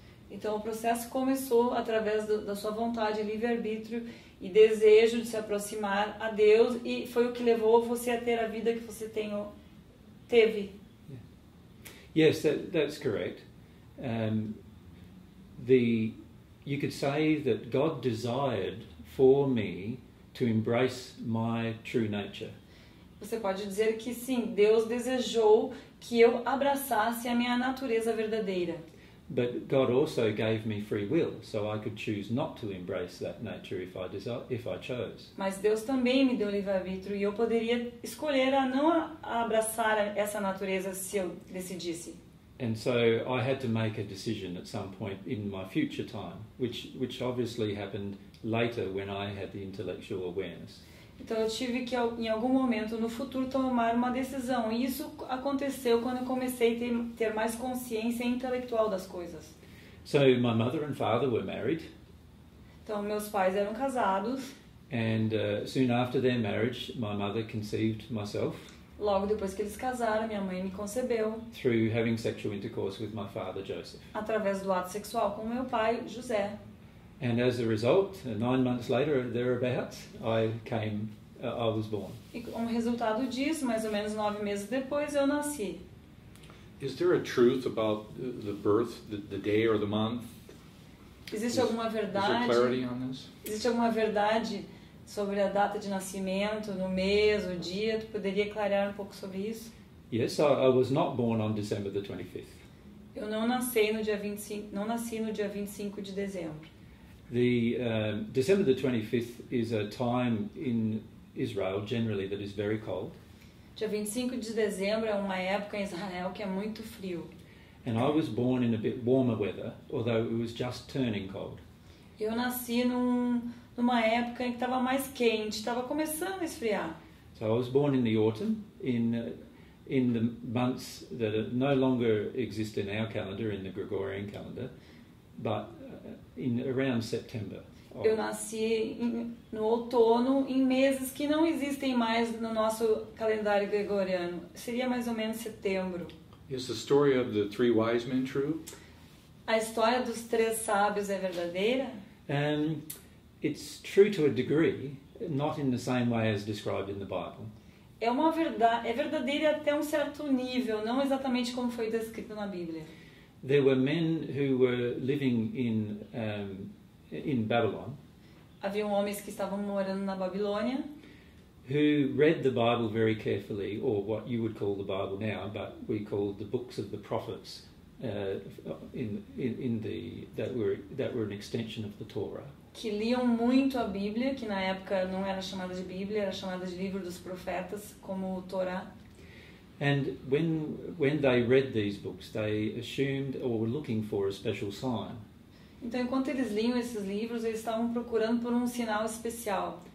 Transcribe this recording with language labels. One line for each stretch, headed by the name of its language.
Portuguese: Então o processo começou através da sua vontade, livre-arbítrio e desejo de se aproximar a Deus e foi o que levou você a ter a vida que você teve.
English: Yes, that's correct. You could say that God desired for me to embrace my true nature.
Portuguese: Você pode dizer que sim, Deus desejou que eu abraçasse a minha natureza verdadeira.
English: But God also gave me free will, so I could choose not to embrace that nature if I chose.
Portuguese: Mas Deus também me deu livre-arbítrio e eu poderia escolher a não abraçar essa natureza se eu decidisse.
English: And so I had to make a decision at some point in my future time, which obviously happened later when I had the intellectual awareness.
Portuguese: Então eu tive que em algum momento no futuro tomar uma decisão e isso aconteceu quando eu comecei a ter mais consciência intelectual das coisas.
English: So my mother and father were married.
Portuguese: Então meus pais eram casados.
English: And soon after their marriage, my mother conceived myself.
Portuguese: Logo depois que eles casaram, minha mãe me concebeu.
English: Through having sexual intercourse with my father Joseph.
Portuguese: Através do ato sexual com meu pai José.
English: And as a result, 9 months later, thereabouts, I was born.
Portuguese: E como resultado disso, mais ou menos 9 meses depois, eu nasci.
English: Is there a truth about the birth, the day or the month?
Portuguese: Existe alguma verdade?
English: Is there clarity on this?
Portuguese: Existe alguma verdade sobre a data de nascimento, no mês, o dia? Tu poderia clarear um pouco sobre isso?
English: Yes, I was not born on December the 25th.
Portuguese: Eu não nasci no dia 25, não nasci no dia 25 de dezembro.
English: The December the 25th is a time in Israel generally that is very cold.
Portuguese: Dia 25 de dezembro é uma época em Israel que é muito frio.
English: And I was born in a bit warmer weather, although it was just turning cold.
Portuguese: Eu nasci numa época em que estava mais quente, estava começando a esfriar.
English: So I was born in the autumn in the months that are no longer exist in our calendar, in the Gregorian calendar, but in around September.
Portuguese: Eu nasci no outono em meses que não existem mais no nosso calendário gregoriano. Seria mais ou menos setembro.
English: Is the story of the three wise men true?
Portuguese: A história dos três sábios é verdadeira?
English: It's true to a degree, not in the same way as described in the Bible.
Portuguese: É uma verdade, é verdadeira até um certo nível, não exatamente como foi descrito na Bíblia.
English: There were men who were living in Babylon.
Portuguese: Havia homens que estavam morando na Babilônia.
English: Who read the Bible very carefully, or what you would call the Bible now, but we call the books of the prophets, that were an extension of the Torah.
Portuguese: Que liam muito a Bíblia, que na época não era chamada de Bíblia, era chamada de Livro dos Profetas, como o Torá.
English: And when they read these books, they assumed or were looking for a special sign.
Portuguese: Então, enquanto eles liam esses livros, eles estavam procurando por um sinal especial.